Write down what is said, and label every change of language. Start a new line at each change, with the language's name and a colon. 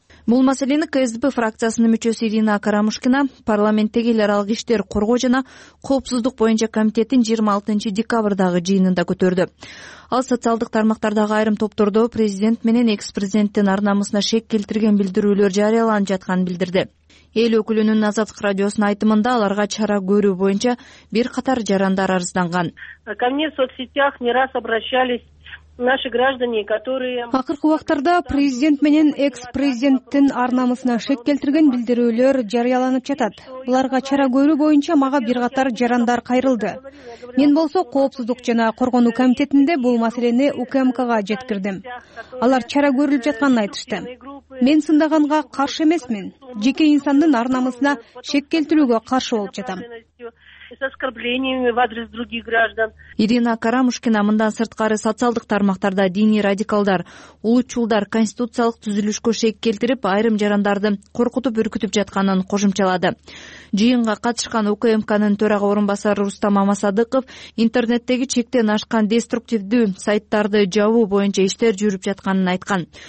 Kyrgyz: Бул маселени КСДП фракциясынын мүчөсү Ирина Карамушкина парламенттеги эл аралык иштер коргоо жана коопсуздук боюнча комитеттин 26 декабрдагы жыйынында көтөрдү. Ал социалдык тармактардагы айрым топтордо президент менен экс президенттин ар намысына шек келтирген билдирүүлөр жарыяланып жатканын билдирди. Эл өкүлүнүн Азаттык радиосунун айтымында аларга чара көрүү боюнча бир катар жарандар арызданган.
Russian: Ко мне в соцсетях не раз обращались наши граждане, которые
Kyrgyz: акыркы убактарда президент менен экс-президенттин арнамысына шек келтирген билдирүүлөр жарыяланып жатат. Буларга чара көрүү боюнча мага бир катар жарандар кайрылды. Мен болсо коопсуздук жана коргонуу комитетинде бул маселени УКМКга жеткирдим. Алар чара көрүлүп жатканын айтышты. Мен сындаганга каршы эмесмин. Жеке инсандын арнамысына шек келтирүүгө каршы болуп жатам.
Russian: с оскорблениями в адрес других граждан.
Kyrgyz: Ирина Карамушкина, мындан сырткары социалдык тармактарда диний радикалдар, улутчулдар конституциялык түзүлүшкө шек келтирип, айрым жарандарды коркутуп үркүтүп жатканын кошумчалады. Жыйынга катышкан УКМКнын төрага орун басары Рустам Амасадыков интернеттеги чектен ашкан деструктивдүү сайттарды жабуу боюнча иштер жүрүп жатканын айткан.